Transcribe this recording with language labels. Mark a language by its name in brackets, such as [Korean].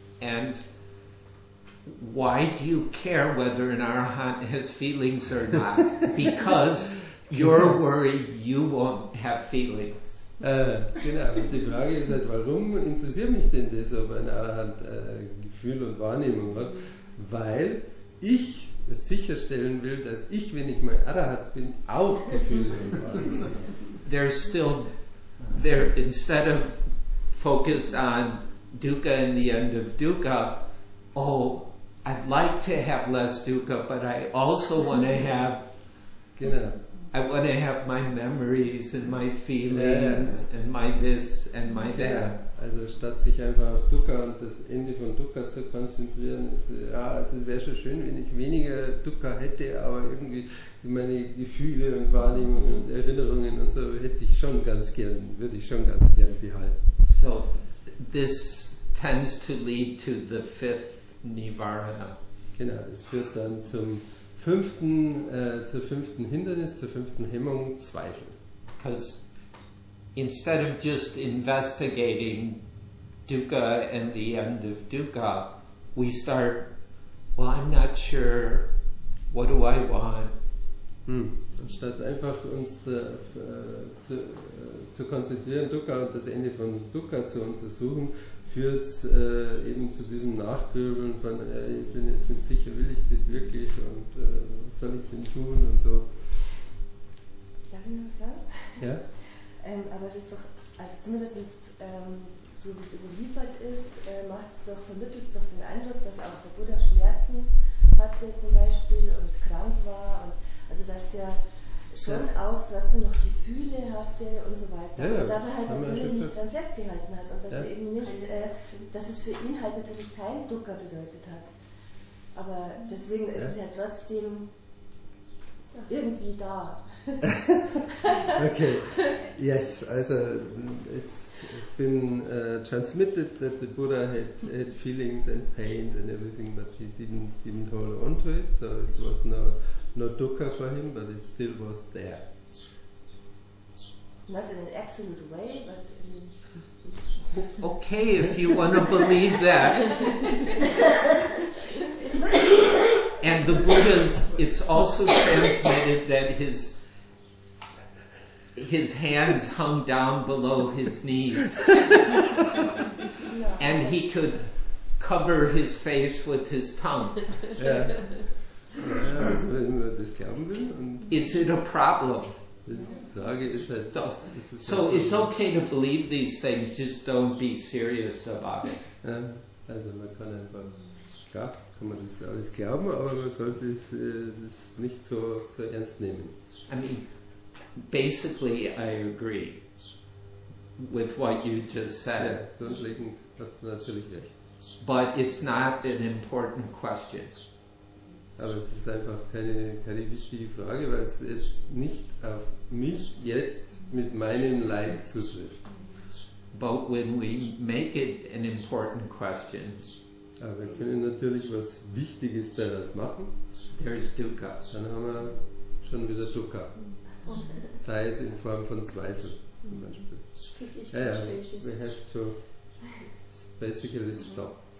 [English] And why do you care whether an Arahant has feelings or not? Because you're worried you won't have feelings. [German] Genau, und die Frage ist halt, warum interessiert mich denn das, ob ein Arahant Gefühl und Wahrnehmung hat? Weil ich sicherstellen will, dass ich, wenn ich mal Arahant bin, auch Gefühle und Wahrnehmung habe. [English] There's still, there, instead of focused on dukkha and the end of dukkha, oh, I'd like to have less dukkha, but I also want to have, [German] genau, [English] I want to have my memories and my feelings and my this and my that. [German] Ja, also statt sich einfach auf Dukkha und das Ende von Dukkha zu konzentrieren, ist, ja, also es wäre schon schön, wenn ich weniger Dukkha hätte, aber irgendwie meine Gefühle und Wahrnehmungen und Erinnerungen und so hätte ich schon ganz gern, würde ich schon ganz gern behalten. [English] So, this tends to lead to the fifth Nivarana. [German] Genau, es führt dann zum fünften Hindernis, zur fünften Hemmung, Zweifel. [English] Because instead of just investigating dukkha and the end of dukkha, we start, well, I'm not sure, what do I want? [German] Anstatt einfach uns zu konzentrieren, dukkha und das Ende von dukkha zu untersuchen, führt es eben zu diesem Nachgrübeln von, ich bin jetzt nicht sicher, will ich das wirklich und was soll ich denn tun und so. Darf ich noch was sagen? Ja. Aber es ist doch, also zumindest so wie es überliefert ist, vermittelt es doch den Eindruck, dass auch der Buddha Schmerzen hatte zum Beispiel und krank war und also dass der schon auch trotzdem noch Gefühle hatte und so weiter. Ja, und dass er halt natürlich nicht dran festgehalten hat. Und dass er eben nicht, dass es für ihn halt natürlich kein Dukkha bedeutet hat. Aber deswegen ist es ja trotzdem irgendwie da. Okay. [English] Yes, also it's been transmitted that the Buddha had feelings and pains and everything, but he didn't hold on to it, so it was no dukkha for him, but it still was there. Not in an absolute way, but Okay, if you want to believe that. And the Buddha's, it's also transmitted that his hands hung down below his knees. And he could cover his face with his tongue. Is it a problem? So it's okay to believe these things, just don't be serious about it. [German] Also man kann einfach, klar, kann man das alles glauben, aber man sollte es nicht so ernst nehmen. [English] I mean, basically I agree with what you just said. [German] Ja, grundlegend hast du natürlich recht. [English] But it's not an important question. [German] Aber es ist einfach keine wichtige Frage, weil es jetzt nicht auf mich jetzt mit meinem Leid zutrifft. [English] But when we make it an important question, [German] aber wir können natürlich was Wichtiges daraus machen. [English] There is dukkha. [German] Dann haben wir schon wieder dukkha. Sei es in Form von Zweifel zum Beispiel. [English] Ja, we have to basically stop.